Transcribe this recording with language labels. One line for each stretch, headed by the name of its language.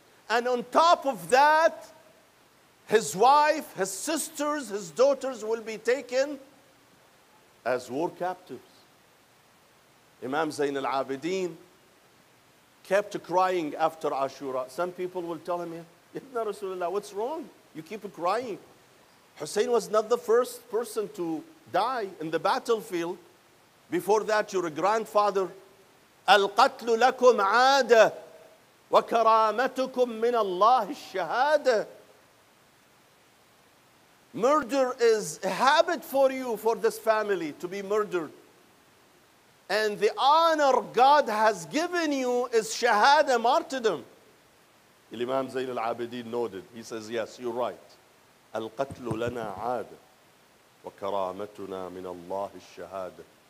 English: And on top of that, his wife, his sisters, his daughters will be taken as war captives. Imam Zain al-Abidin kept crying after Ashura. Some people will tell him, Ibn Rasulullah, what's wrong? You keep crying. Hussein was not the first person to die in the battlefield. Before that, your grandfather,
Arabic: القتل لكم عادة وكرامتكم من الله الشهادة.
English: Murder is a habit for you, for this family, to be murdered. And the honor God has given you is shahada, martyrdom. Imam Zain al-Abidin nodded. He says, yes, you're right.
Arabic: القتل لنا عادة وكرامتنا من الله الشهادة